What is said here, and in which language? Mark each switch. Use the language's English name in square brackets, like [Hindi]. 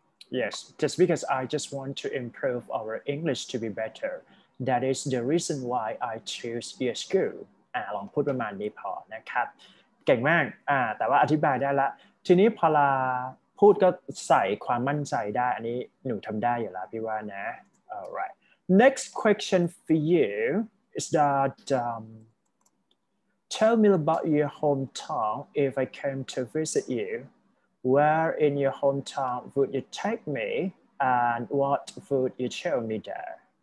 [English] Yes, just because I just want to improve our English to be better. That is the reason why I choose your school. [Thai] ลองพูดประมาณนี้พอนะครับเก่งมากแต่ว่าอธิบายได้ละทีนี้พอลาพูดก็ใส่ความมั่นใจได้อันนี้หนูทำได้อยู่แล้วพี่ว่านะ Alright. [English] Next question for you is that tell me about your hometown if I came to visit you. Where in your hometown would you take me, and what would you show me there?